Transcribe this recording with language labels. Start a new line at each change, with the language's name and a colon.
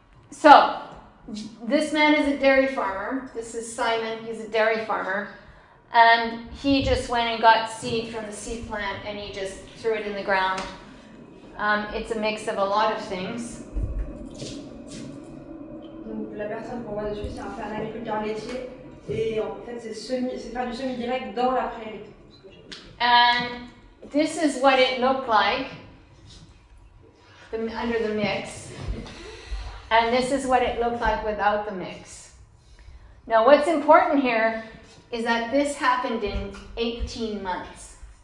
English: So this man is a dairy farmer. This is Simon, he's a dairy farmer. And he just went and got seed from the seed plant and he just threw it in the ground. It's a mix of a lot of things.
French: Donc la personne qu'on voit dessus, c'est un agriculteur laitier. Et en fait, c'est faire du semis direct dans la prairie.
English: And this is what it looked like under the mix. And this is what it looked like without the mix. Now, what's important here is that this happened in 18 months.